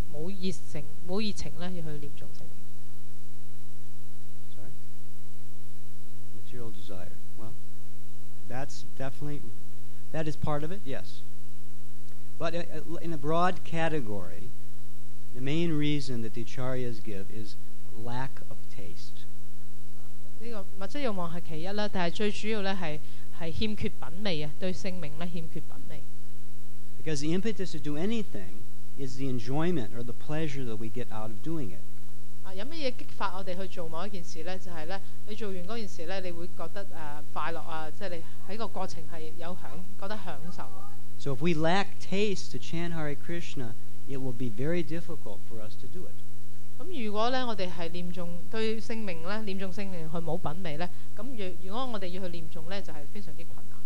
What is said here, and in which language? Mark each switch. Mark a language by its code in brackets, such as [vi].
[zh] 什麼東西令到我們沒有熱情去念眾聖名? [en] Sorry? Material desire. Well, that's definitely, that is part of it, yes. But in a broad category, the main reason that the acharyas give is lack of taste. [zh] 物質慾望是其一,但最主要是欠缺品味，对生命欠缺品味。 [en] Because the impetus to do anything is the enjoyment or the pleasure that we get out of doing it. [zh] 有什么激发我们去做某一件事呢？就是你做完那件事，你会觉得快乐，即是在过程是有享，觉得享受。 [en] So if we lack taste to chant Hare Krishna, it will be very difficult for us to do it. [zh] 如果我们是念诵对生命，念诵生命去没有品味，如果我们要去念诵，就是非常困难。